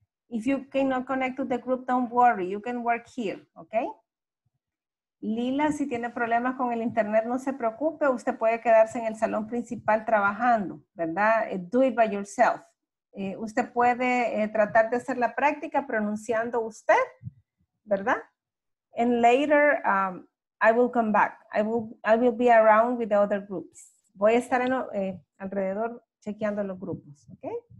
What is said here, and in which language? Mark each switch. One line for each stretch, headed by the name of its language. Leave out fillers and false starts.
English: If you cannot connect to the group, don't worry. You can work here, okay?
Spanish: Lila, si tiene problemas con el internet, no se preocupe. Usted puede quedarse en el salón principal trabajando, ¿verdad?
English: Do it by yourself.
Spanish: Usted puede tratar de hacer la práctica pronunciando usted, ¿verdad?
English: And later, I will come back. I will be around with the other groups.
Spanish: Voy a estar en, alrededor chequeando los grupos, okay?